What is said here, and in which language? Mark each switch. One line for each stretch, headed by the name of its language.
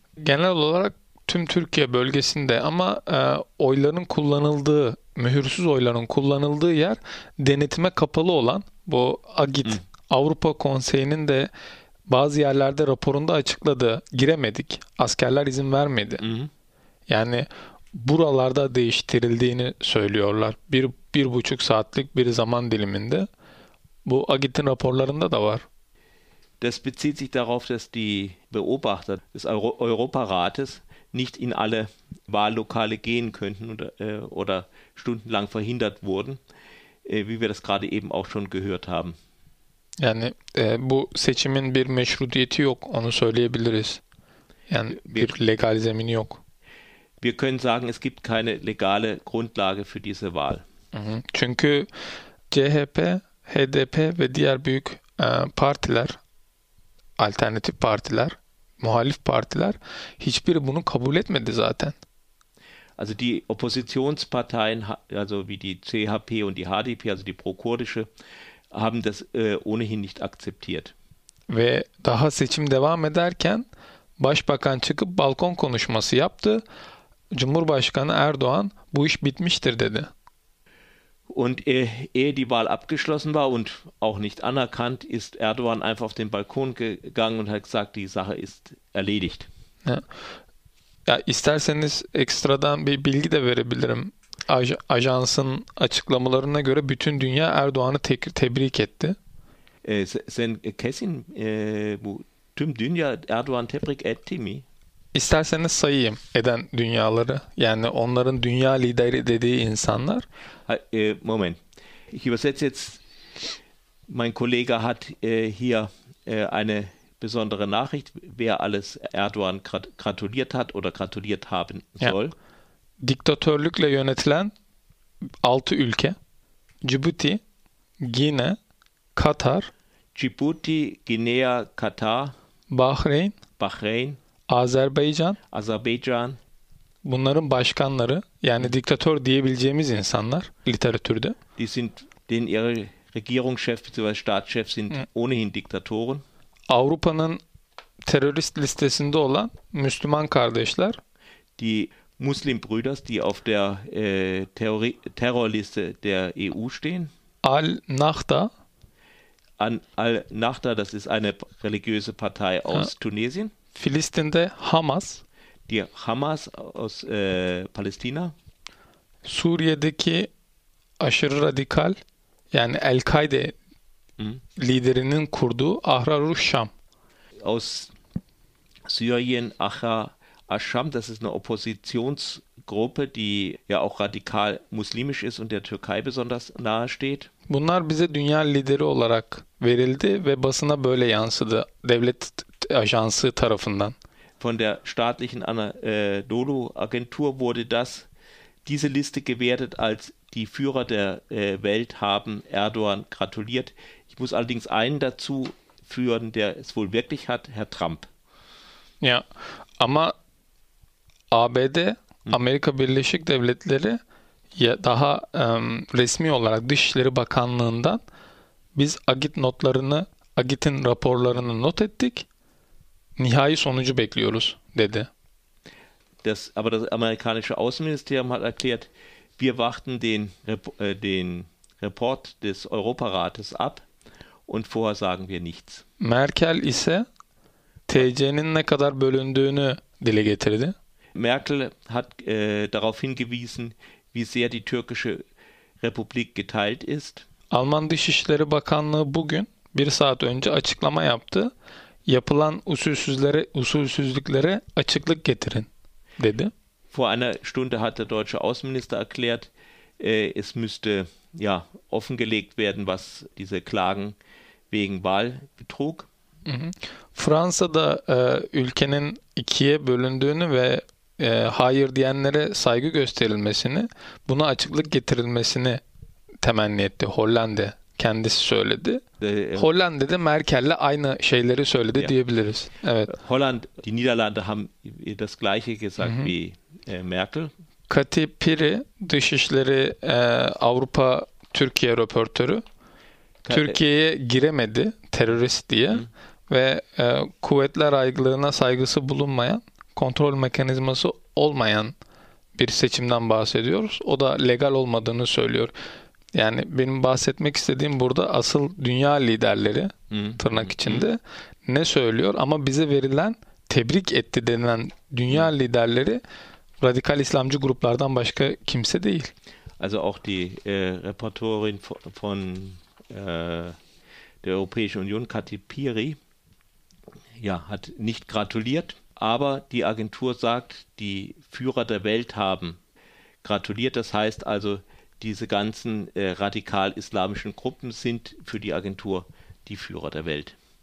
Turkish: Genel olarak tüm Türkiye bölgesinde ama oyların kullanıldığı, mühürsüz oyların kullanıldığı yer denetime kapalı olan bu AGİT, Avrupa Konseyi'nin de bazı yerlerde raporunda açıkladığı giremedik, askerler izin vermedi. Hı. Yani buralarda değiştirildiğini söylüyorlar. Bir buçuk saatlik bir zaman diliminde. Bu AGİT'in raporlarında da var.
German: Das bezieht sich darauf, dass die Beobachter des Europarates nicht in alle Wahllokale gehen könnten oder stundenlang verhindert wurden, wie wir das gerade eben auch schon gehört haben.
Turkish: Yani bu seçimin bir meşruiyeti yok, onu söyleyebiliriz. Yani bir legal zemini yok.
German: Wir können sagen, es gibt keine legale Grundlage für diese Wahl.
Turkish: Çünkü CHP, HDP ve diğer büyük partiler, alternatif partiler, muhalif partiler hiçbiri bunu kabul etmedi zaten.
German: Also die Oppositionsparteien, also wie die CHP und die HDP, also die prokurdische, haben das ohnehin nicht akzeptiert.
Turkish: Ve daha seçim devam ederken başbakan çıkıp balkon konuşması yaptı. Cumhurbaşkanı Erdoğan bu iş bitmiştir dedi.
German: Und ehe die Wahl abgeschlossen war und auch nicht anerkannt, ist Erdoğan einfach auf den Balkon gegangen und hat gesagt, die Sache ist erledigt. Ja.
Turkish: Ya isterseniz ekstradan bir bilgi de verebilirim. Ajansın açıklamalarına göre bütün dünya Erdoğan'ı tebrik etti. Sen kesin bu tüm dünya Erdoğan tebrik etti mi? İsterseniz sayayım eden dünyaları. Yani onların dünya lideri dediği insanlar.
German: Moment. Ich übersetze jetzt. Mein Kollege hat hier eine besondere Nachricht, wer alles Erdoğan gratuliert hat oder gratuliert haben soll.
Turkish: Diktatörlükle yönetilen 6 ülke: Djibouti, Gine, Katar,
German: Djibouti, Guinea, Katar,
Turkish: Bahreyn,
German: Bahreyn,
Turkish: Azerbaycan,
German: Azerbaycan.
Turkish: Bunların başkanları, yani diktatör diyebileceğimiz insanlar literatürde.
German: Die sind den ihre Regierungschef bzw. Staatschef sind ohnehin Diktatoren.
Turkish: Avrupa'nın terörist listesinde olan Müslüman kardeşler,
German: die Muslim Brüder, die auf der Terrorliste der EU stehen.
Turkish: Al-Nahda.
German: Al-Nahda, das ist eine religiöse Partei aus Tunesien.
Turkish: Filistin'de Hamas.
German: Die Hamas aus Palästina.
Turkish: Suriye'deki aşırı radikal, yani El-Kaide liderinin kurduğu Ahrarus Şam.
German: Aus Syrien Ahrar Aşam, das ist eine Oppositionsgruppe, die ja auch radikal muslimisch ist und der Türkei besonders nahe steht.
Turkish: Bunlar bize dünya lideri olarak verildi ve basına böyle yansıdı devlet ajansı tarafından.
German: Von der staatlichen Anadolu Agentur wurde das diese Liste gewertet als die Führer der Welt haben Erdoğan gratuliert. Ich muss allerdings einen dazu führen, der es wohl wirklich hat, Herr Trump.
Turkish: Ja, ama ABD, Amerika Birleşik Devletleri ya daha resmi olarak Dışişleri Bakanlığı'ndan biz AGİT notlarını, AGİT'in raporlarını not ettik. Nihai sonucu bekliyoruz dedi.
German: Das aber das amerikanische Außenministerium hat erklärt, wir warten den Report des Europarates ab und vorher sagen wir nichts.
Turkish: Merkel ise TC'nin ne kadar bölündüğünü dile getirdi.
German: Merkel hat darauf hingewiesen, wie sehr die türkische Republik geteilt ist.
Turkish: Alman Dışişleri Bakanlığı bugün bir saat önce açıklama yaptı. Yapılan usulsüzlüklere açıklık getirin dedi.
German: Vor einer Stunde hat der deutsche Außenminister erklärt, es müsste ja offengelegt werden, was diese Klagen wegen Wahlbetrug.
Turkish: Fransa'da ülkenin ikiye bölündüğünü ve hayır diyenlere saygı gösterilmesini, buna açıklık getirilmesini temenni etti. Hollanda kendisi söyledi. Hollanda da Merkel'le aynı şeyleri söyledi diyebiliriz. Evet.
German: Holland, die Niederlande haben das gleiche gesagt wie Merkel.
Turkish: Kati Piri, Dışişleri Avrupa Türkiye röportörü, Türkiye'ye giremedi terörist diye ve kuvvetler aygıtlığına saygısı bulunmayan, kontrol mekanizması olmayan bir seçimden bahsediyoruz. O da legal olmadığını söylüyor. Yani benim bahsetmek istediğim burada asıl dünya liderleri tırnak içinde ne söylüyor ama bize verilen tebrik etti denilen dünya liderleri radikal İslamcı gruplardan başka kimse değil.
German: Also auch die Reporterin von der Europäischen Union Kati Piri ja hat nicht gratuliert. Aber die Agentur sagt, die Führer der Welt haben gratuliert. Das heißt also, diese ganzen radikal-islamischen Gruppen sind für die Agentur die Führer der Welt.